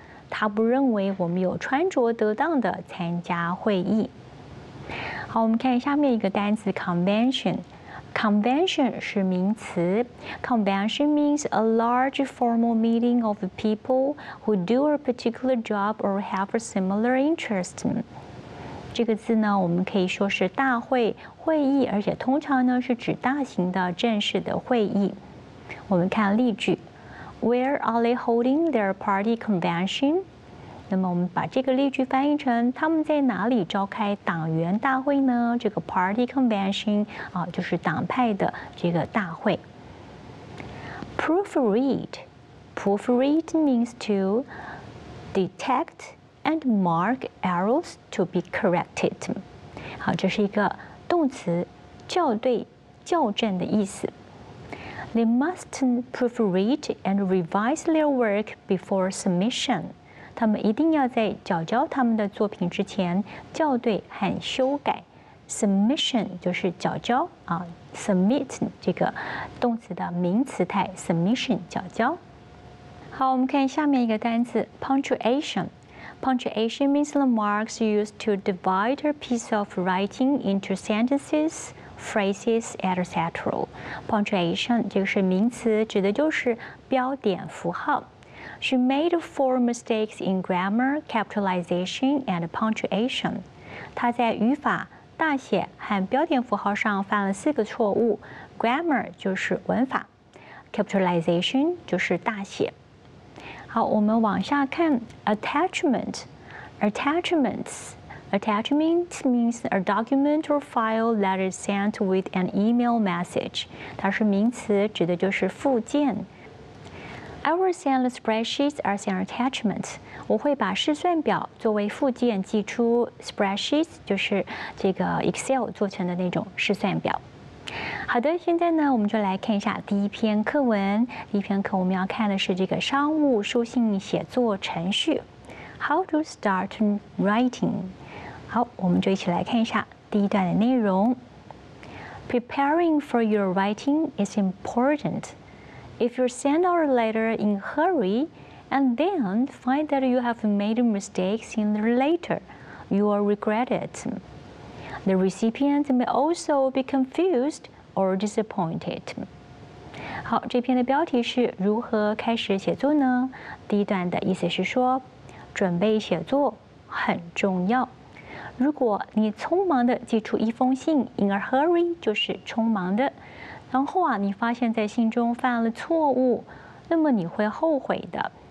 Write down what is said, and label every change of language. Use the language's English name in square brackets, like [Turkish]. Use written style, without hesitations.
[Chinese] 她不认为我们有穿着得当的参加会议。好，我们看下面一个单词 ,convention。 [English] Convention [Chinese] 是名词 [English] ,convention means a large formal meeting of people who do a particular job or have a similar interest. [Chinese] 这个字呢，我们可以说是大会、会议，而且通常呢是指大型的正式的会议。我们看例句 [English] ，Where are they holding their party convention？ [Chinese] 那么我们把这个例句翻译成他们在哪里召开党员大会呢？这个 party convention 啊，就是党派的这个大会。Proofread。 [English] Proofread means to detect and mark errors to be corrected. [Chinese] 好，这是一个动词，校对、校正的意思。 [English] They must proofread and revise their work before submission. [Chinese] 他们一定要在交交他们的作品之前校对和修改。 Submission 就是交交啊 ，submit 这个动词的名词态 ，submission 交交。好，我们看下面一个单词 [English] ，punctuation。Punctuation means the marks used to divide a piece of writing into sentences, phrases, etc. [Chinese] Punctuation 这个是名词，指的就是标点符号。 [English] She made four mistakes in grammar, capitalization, and punctuation. [Chinese] 她在语法、大写和标点符号上犯了四个错误。 Grammar 就是文法 ，capitalization 就是大写。好，我们往下看 attachment. Attachments. [English] Attachment means a document or file that is sent with an email message. [Chinese] 它是名词，指的就是附件。 [English] I will send the spreadsheets as an attachment. [Chinese] 我会把试算表作为附件寄出。 Spreadsheets 就是这个 Excel 做成的那种试算表。好的，现在呢，我们就来看一下第一篇课文。第一篇课我们要看的是这个商务书信写作程序 ， [English] How to start writing。 [Chinese] 好，我们就一起来看一下第一段的内容。 [English] Preparing for your writing is important. If you send out a letter in a hurry and then find that you have made mistakes in the letter, you will regret it. The recipient may also be confused or disappointed. [Chinese] 好，这篇的标题是如何开始写作呢？第一段的意思是说，准备写作很重要。如果你匆忙地寄出一封信 ， [English] in a hurry [Chinese] 就是匆忙的，然后啊，你发现在信中犯了错误，那么你会后悔的。